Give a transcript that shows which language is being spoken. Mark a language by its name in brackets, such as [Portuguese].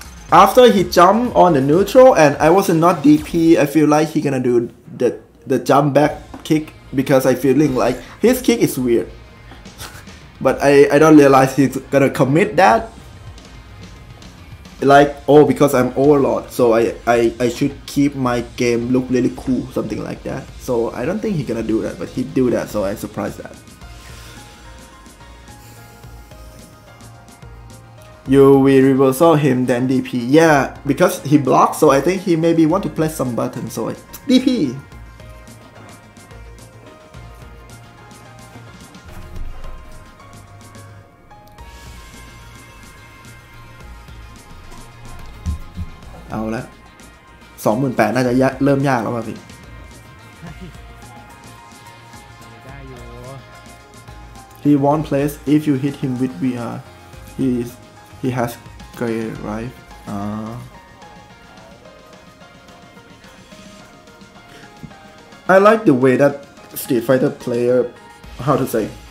[English] After he jumped on the neutral and I was not DP, I feel like he gonna do the jump back kick because I feeling like his kick is weird. But I don't realize he's gonna commit that. Like, oh, because I'm overlord, so I should keep my game look really cool, something like that. So I don't think he's gonna do that, but he do that, so I surprised that. You will reversal him then DP. Yeah, because he blocked, so I think he maybe want to play some button, so I DP. [Thai] เอาละ28,000น่าจะยากเริ่มยากแล้วป่ะพี่ได้อยู่ [English] He won't place if you hit him with VR he has great right I like the way that Street Fighter player how to say